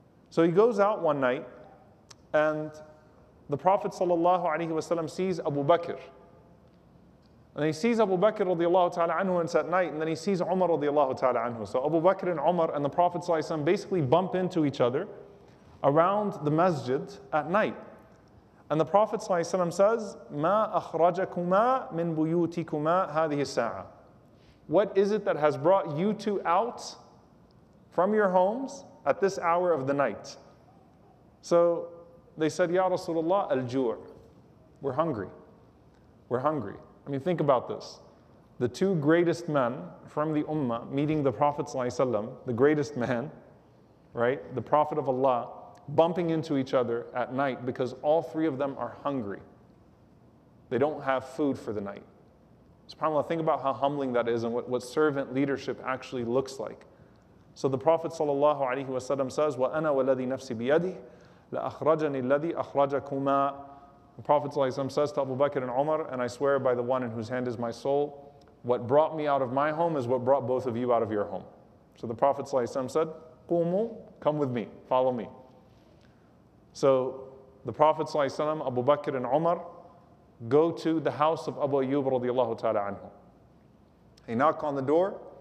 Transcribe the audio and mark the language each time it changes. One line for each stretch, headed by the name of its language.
English: So he goes out one night, and the Prophet sallallahu alayhi wa sallam sees Abu Bakr. And he sees Abu Bakr radiallahu ta'ala anhu, and it's at night, and then he sees Umar radiallahu ta'ala anhu. So Abu Bakr and Umar and the Prophet ﷺ basically bump into each other around the masjid at night. And the Prophet ﷺ says,
Arabic: مَا أَخْرَجَكُمَا مِن بُيُوتِكُمَا هَذِهِ السَّاعَةِ.
English: What is it that has brought you two out from your homes at this hour of the night? So they said, Ya Rasulullah, al-jur. We're hungry. We're hungry. I mean, think about this. The two greatest men from the Ummah meeting the Prophet ﷺ, the greatest man, right? The Prophet of Allah, bumping into each other at night because all three of them are hungry. They don't have food for the night. SubhanAllah, think about how humbling that is and what servant leadership actually looks like. So the Prophet ﷺ says,
Arabic: وَأَنَا وَلَذِي نَفْسِ بِيَدِهِ لَأَخْرَجَنِي الَّذِي أَخْرَجَكُمَا.
English: The Prophet ﷺ says to Abu Bakr and Umar, and I swear by the one in whose hand is my soul, what brought me out of my home is what brought both of you out of your home. So the Prophet ﷺ said,
Arabic: قُومُوا,
English: come with me, follow me. So the Prophet ﷺ, Abu Bakr and Umar, go to the house of Abu Ayyub radiallahu ta'ala anhu. They knock on the door.